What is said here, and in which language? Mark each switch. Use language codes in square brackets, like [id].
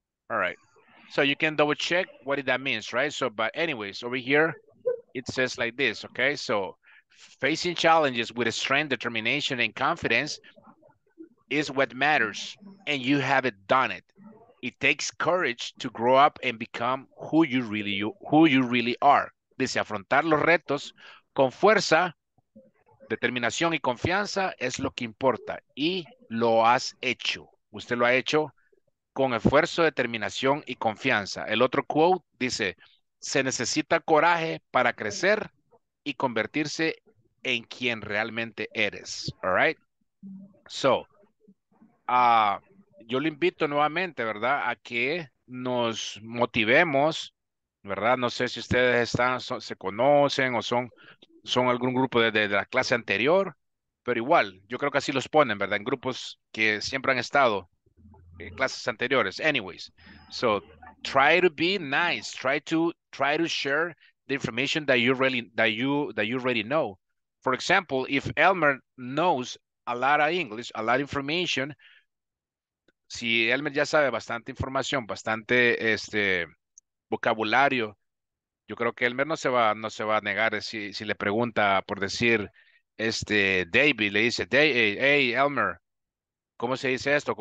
[en] All right, so you can double check what that means, right? So, but anyways, over here, it says like this, okay? So, facing challenges with strength, determination, and confidence is what matters, and you haven't done it. It takes courage to grow up and become who you really are. [es] Dice, afrontar los retos con fuerza, determinación y confianza es lo que importa. Y lo has hecho. Usted lo ha hecho con esfuerzo, determinación y confianza. El otro quote dice, se necesita coraje para crecer y convertirse en quien realmente eres. [en] All right? [es] So, yo le invito nuevamente, ¿verdad?, a que nos motivemos, ¿verdad? No sé si ustedes están, se conocen o son algún grupo de la clase anterior, pero igual, yo creo que así los ponen, ¿verdad?, en grupos que siempre han estado, en clases anteriores. [en] Anyways, so, try to be nice, try to share the information that you already know. For example, if Elmer knows a lot of English, a lot of information, [es] si Elmer ya sabe bastante información, bastante vocabulario, yo creo que Elmer no se va a negar si le pregunta, por decir, David, le dice, hey, Elmer, ¿cómo se dice esto?